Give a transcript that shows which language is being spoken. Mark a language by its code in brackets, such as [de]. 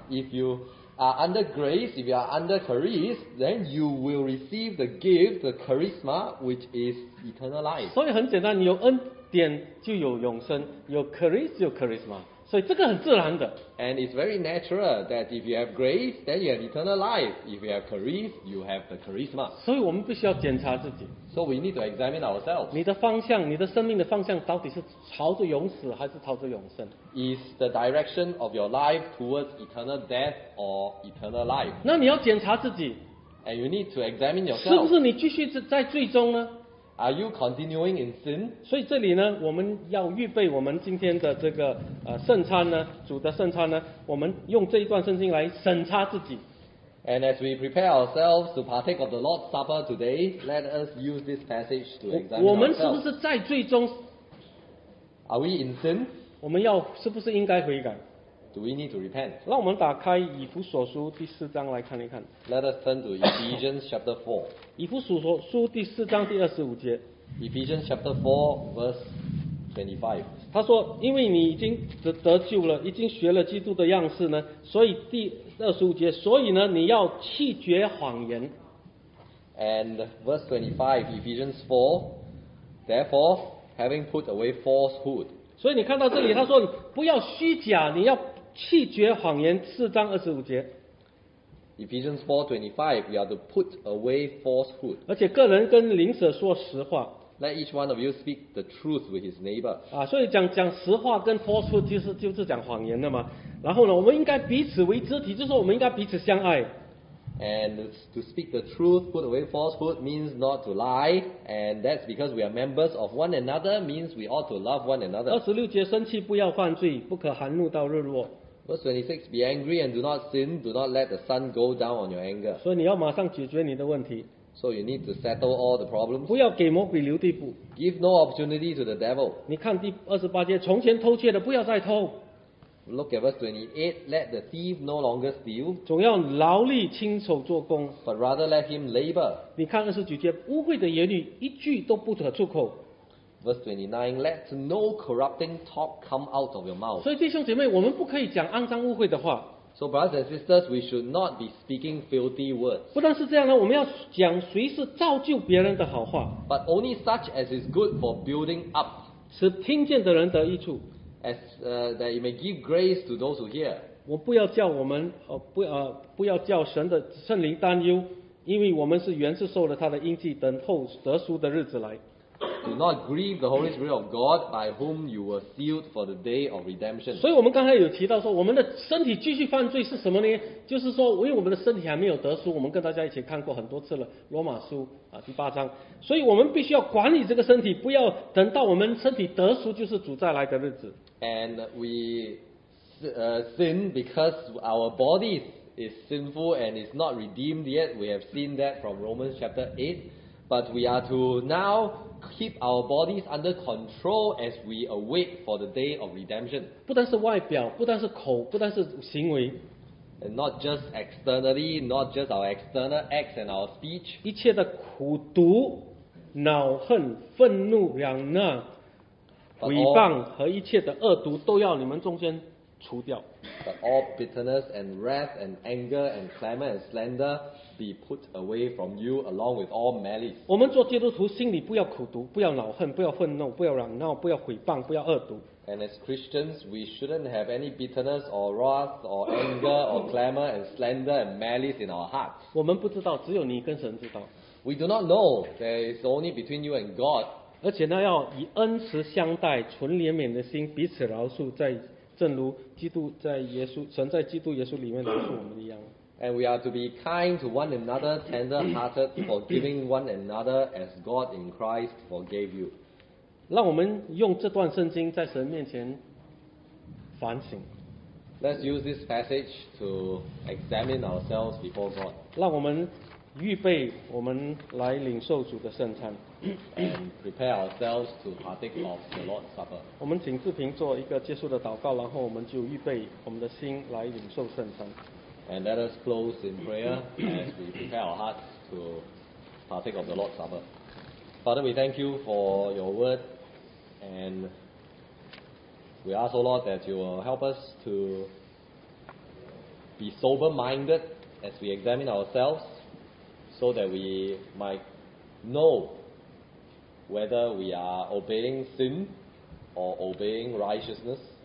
[en] If you are under grace, if you are under charis, then you will receive the gift, the charisma, which is eternal life. [zh] 所以很简单，你有恩典就有永生，有 charis 就有 charisma， 所以这个很自然的。 [en] And it's very natural that if you have grace, then you have eternal life. If you have charis, you have the charisma. [zh] 所以我们必须要检查自己。 [en] So we need to examine ourselves. [zh] 你的方向，你的生命的方向到底是朝着永死还是朝着永生？ [en] Is the direction of your life towards eternal death or eternal life? [zh] 那你要检查自己。 [en] And you need to examine yourself. [zh] 是不是你继续在最终呢？ [en] Are you continuing in sin? [zh] 所以这里呢，我们要预备我们今天的这个圣餐呢，主的圣餐呢，我们用这一段圣经来审查自己。 [en] And as we prepare ourselves to partake of the Lord's Supper today, let us use this passage to examine ourselves. [zh] 我们是不是在最终？ [en] Are we in sin? [zh] 我们要是不是应该悔改？ [en] Do we need to repent? [zh] 让我们打开以弗所书第四章来看一看。 [en] Let us turn to Ephesians chapter 4. [zh] 以弗所书第四章第二十五节。 [en] Ephesians chapter 4 verse 25. [zh] 他说，因为你已经得救了，已经学了基督的样式呢，所以第二十五节，所以呢，你要弃绝谎言。 [en] And verse 25, Ephesians 4, therefore, having put away falsehood. [zh] 所以你看到这里，他说不要虚假，你要弃绝谎言。四章二十五节。 [en] Ephesians 4:25, we are to put away falsehood. [zh] 而且个人跟邻舍说实话。 [en] Let each one of you speak the truth with his neighbor. [zh] 啊，所以讲实话跟 falsehood 就是讲谎言的嘛。然后呢，我们应该彼此为肢体，就是我们应该彼此相爱。 [en] And to speak the truth, put away falsehood means not to lie, and that's because we are members of one another, means we ought to love one another. [zh] 二十六节，生气不要犯罪，不可含怒到日落。 [en] Verse 26, be angry and do not sin, do not let the sun go down on your anger. [zh] 所以你要马上解决你的问题。 [en] So you need to settle all the problems. [zh] 不要给魔鬼留地步。 [en] Give no opportunity to the devil. [zh] 你看第二十八节，从前偷窃的不要再偷。 [en] Look at verse 28, let the thief no longer steal. [zh] 总要劳力亲手做工。 [en] But rather let him labor. [zh] 你看二十九节，污秽的言语一句都不可出口。 [en] Verse 29, let no corrupting talk come out of your mouth. [zh] 所以弟兄姐妹，我们不可以讲肮脏污秽的话。 [en] So brothers and sisters, we should not be speaking filthy words. [zh] 不但是这样呢，我们要讲谁是造就别人的好话。 [en] But only such as is good for building up. [zh] 使听见的人得益处。 [en] That it may give grace to those who hear. [zh] 我不要叫我们不要叫神的圣灵担忧，因为我们是原是受了他的印记，等候得赎的日子来。 [en] Do not grieve the Holy Spirit of God by whom you were sealed for the day of redemption. [zh] 所以我们刚才有提到说，我们的身体继续犯罪是什么呢？就是说，因为我们的身体还没有得赎，我们跟大家一起看过很多次了，罗马书第八章。所以我们必须要管理这个身体，不要等到我们身体得赎，就是主再来的日子。 [en] And we sin because our bodies is sinful and is not redeemed yet. We have seen that from Romans chapter 8. But we are to now keep our bodies under control as we await for the day of redemption. [zh] 不但是外表，不但是口，不但是行为。 [en] And not just externally, not just our external acts and our speech. [zh] 一切的苦毒、恼恨、愤怒、两难、毁谤和一切的恶毒都要你们中间除掉。 [en] But all bitterness and wrath and anger and clamor and slander be put away from you along with all malice. [zh] 我们做基督徒心里不要苦毒，不要恼恨，不要愤怒，不要嚷闹，不要毁谤，不要恶毒。 [en] And as Christians, we shouldn't have any bitterness or wrath or anger or clamor and slander and malice in our hearts. [zh] 我们不知道，只有你跟神知道。 [en] We do not know. There is only between you and God. [zh] 而且呢，要以恩慈相待，存怜悯的心，彼此饶恕，在正如基督在耶稣神在基督耶稣里面饶恕我们一样。 [en] And we are to be kind to one another, tender-hearted, forgiving one another as God in Christ forgave you. [zh] 让我们用这段圣经在神面前反省。 [en] Let's use this passage to examine ourselves before God. [zh] 让我们预备我们来领受主的圣餐。 [en] And prepare ourselves to partake of the Lord's Supper. [zh] 我们请志平做一个结束的祷告，然后我们就预备我们的心来领受圣餐。 [en] And let us close in prayer as we prepare our hearts to partake of the Lord's Supper. Father, we thank you for your word, and we ask, O Lord, that you will help us to be sober-minded as we examine ourselves, so that we might know whether we are obeying sin or obeying righteousness.